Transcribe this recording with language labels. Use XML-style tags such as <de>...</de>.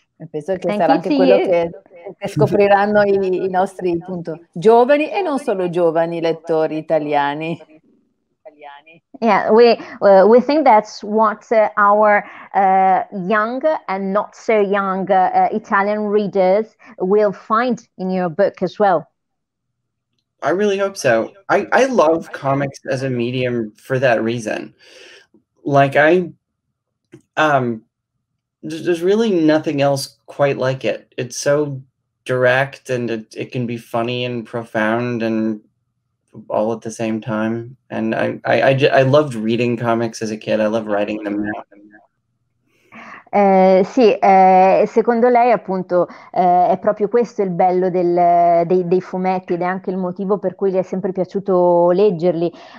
<it>Penso che sarà anche quello che scopriranno i nostri, appunto, giovani e non solo giovani lettori italiani.</it> <en>Yeah, we think that's what our young and not so young Italian readers will find in your book as well. I really hope so. I love comics as a medium for that reason. Like, there's really nothing else quite like it. It's so direct, and it can be funny and profound and all at the same time, and I loved reading comics as a kid. I love writing them now.</en> <it>Secondo lei, appunto, è proprio questo il bello dei fumetti, ed è anche il motivo per cui le è sempre piaciuto leggerli.</it>